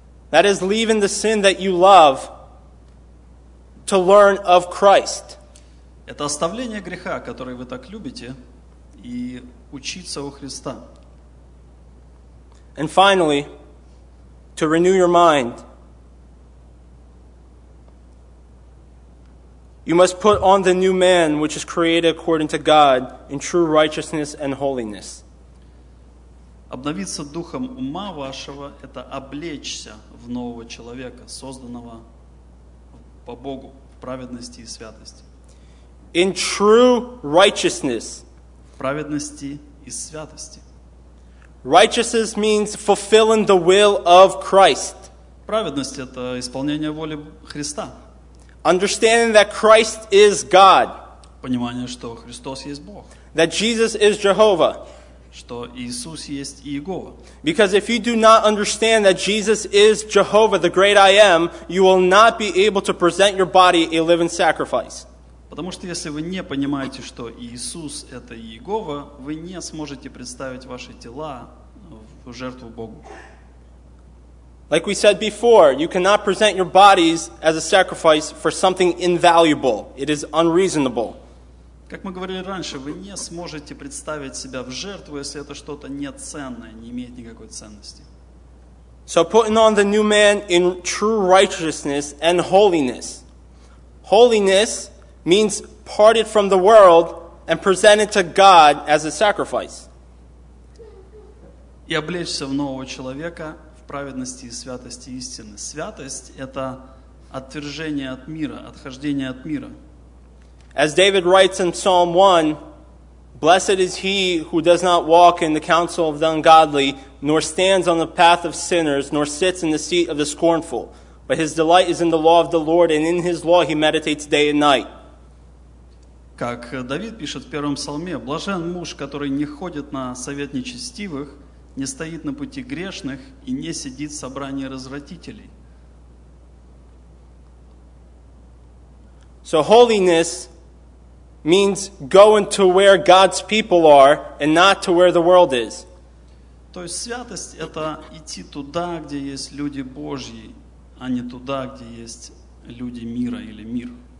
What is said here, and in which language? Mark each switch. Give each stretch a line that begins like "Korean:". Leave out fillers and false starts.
English: That is leaving the sin that you love to learn of Christ.
Russian: Это оставление греха, который вы так любите, и учиться у Христа.
English: And finally, to renew your mind. You must put on the new man, which is created according to God in true righteousness and holiness.
Russian: Обновиться духом ума вашего – это облечься в нового человека, созданного по Богу в праведности и святости.
English: In true righteousness.
Russian: В праведности и святости.
English: Righteousness means fulfilling the will of Christ.
Russian: Праведность – это исполнение воли Христа.
English: Understanding that Christ is God.
Russian: Понимание, что Христос есть Бог.
English: That Jesus is Jehovah.
Russian: Что Иисус есть Иегова.
English: Because if you do not understand that Jesus is Jehovah, the great I am, you will not be able to present your body a living sacrifice.
Russian: Потому что если вы не понимаете, что Иисус это Иегова, вы не сможете представить ваши тела в жертву Богу.
English: Like we said before, you cannot present your bodies as a sacrifice for something invaluable. It is unreasonable.
Russian: Как мы говорили раньше, вы не сможете представить себя в жертву, если это что-то неценное, не имеет никакой ценности.
English: So putting on the new man in true righteousness and holiness. Holiness means parted from the world and presented to God as a sacrifice.
Russian: И облечься в нового человека в праведности и святости истины. Святость – это отвержение от мира, отхождение от мира.
English: As David writes in Psalm 1, blessed is he who does not walk in the counsel of the ungodly, nor stands on the path of sinners, nor sits in the seat of the scornful. But his delight is in the law of the Lord, and in his law he meditates day and night.
Russian: Как Давид пишет в первом псалме, блажен муж, который не ходит на совет нечестивых, не стоит на пути грешных и не сидит в собрании развратителей.
English: So holiness means going to where God's people are and not to where the world is.
Russian: То есть святость – это идти туда, где есть люди Божьи, а не туда, где есть люди мира или мир.